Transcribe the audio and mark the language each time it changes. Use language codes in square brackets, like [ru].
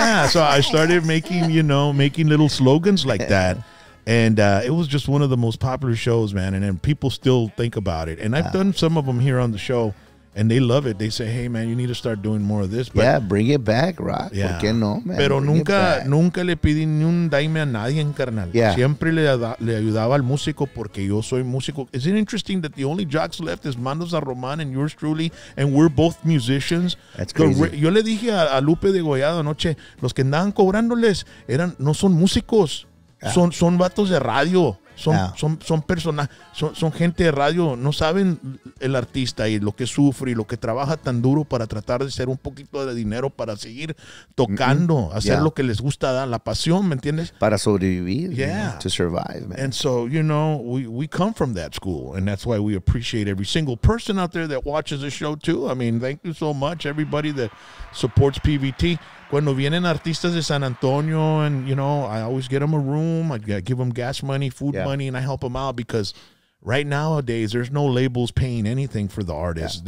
[en] So I started making little slogans like that. And it was just one of the most popular shows, man. And people still think about it. And I've done some of them here on the show, and they love it. They say, hey, man, you need to start doing more of this. But, yeah, bring it back, Rock. Yeah. [es] ¿Por qué no, [en] man? [es] Pero nunca le pedí ni un dime a nadie en carnal. [en] Yeah. [es] Siempre le ayudaba al músico porque yo soy músico. [en] Is it interesting that the only jocks left is Mando San Román and yours truly, and we're both musicians? That's crazy. [es] Yo le dije a Lupe de Goyado anoche, los que andaban cobrándoles eran no son músicos. Son vatos de radio, son gente de radio, no saben el artista y lo que sufre y lo que trabaja tan duro para tratar de hacer un poquito de dinero para seguir tocando, hacer lo que les gusta, dar la pasión, ¿me entiendes? Para sobrevivir, [en] to survive, man. And so, you know, we come from that school, and that's why we appreciate every single person out there that watches the show too. I mean, thank you so much, everybody that supports PVT. [es] Cuando vienen artistas de San Antonio, [en] and, you know, I always get them a room. I give them gas money, food money, and I help them out because right nowadays there's no labels paying anything for the artists.